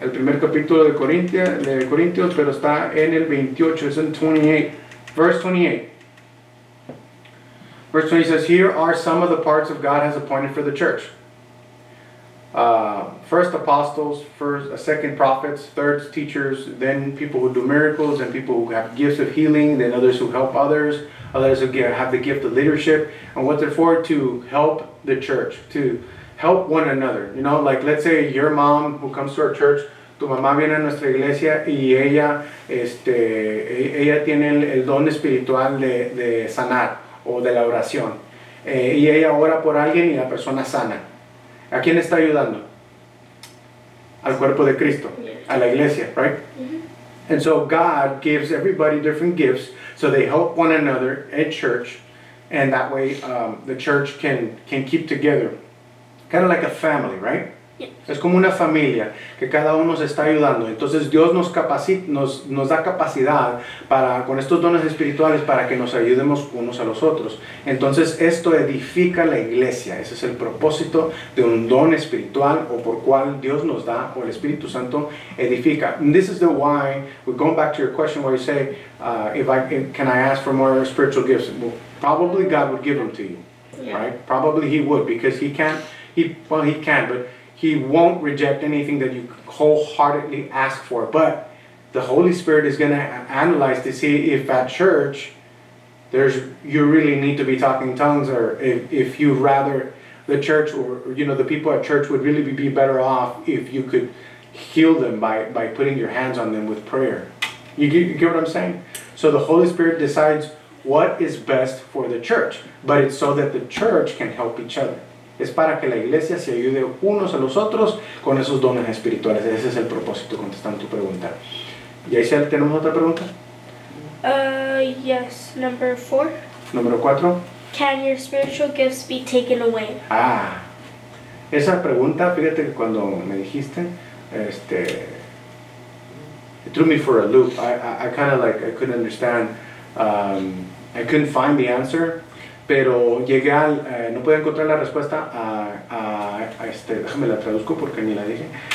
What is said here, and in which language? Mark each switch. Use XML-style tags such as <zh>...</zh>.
<es>El primer capítulo de Corintios, pero está en el 28.</es> <en>It's in 28. Verse 28. Verse 20 says, here are some of the parts of God has appointed for the church. First apostles, second prophets, third teachers, then people who do miracles, and people who have gifts of healing, then others who help others, others who have the gift of leadership. And what they're for? To help the church, to help one another. You know, like let's say your mom who comes to our church,</en> <es>tu mamá viene a nuestra iglesia y ella tiene el don espiritual de sanar o de la oración. Y ella ora por alguien y la persona sana. ¿A quién está ayudando? Al cuerpo de Cristo, a la iglesia, right? Mm-hmm.</es> <en>And so God gives everybody different gifts so they help one another at church, and that way the church can keep together. Kind of like a family, right? Yes.</en> <es>Es como una familia que cada uno se está ayudando. Entonces Dios nos da capacidad para con estos dones espirituales para que nos ayudemos unos a los otros. Entonces esto edifica la iglesia. Ese es el propósito de un don espiritual o por cual Dios nos da o el Espíritu Santo edifica.</es> <en>And this is the why we're going back to your question where you say can I ask for more spiritual gifts? Well, probably God would give them to you, yeah. Right? Probably He would, because He can't. He can, but He won't reject anything that you wholeheartedly ask for. But the Holy Spirit is going to analyze to see if at church you really need to be talking in tongues, or if you rather the church the people at church would really be better off if you could heal them by putting your hands on them with prayer. You get what I'm saying? So the Holy Spirit decides what is best for the church, but it's so that the church can help each other.</en> <es>Es para que la iglesia se ayude unos a los otros con esos dones espirituales. Ese es el propósito, contestando tu pregunta. ¿Y ahí tenemos otra pregunta?</es> <en>Yes, number 4.</en> <es>¿Número 4?</es> <en>Can your spiritual gifts be taken away?</en> <es>Ah, esa pregunta, fíjate que cuando me dijiste,</es> <en>it threw me for a loop. I couldn't understand, I couldn't find the answer.</en> <es>Pero llegué al, no pude encontrar la respuesta a déjame la traduzco porque ni la dije.</es>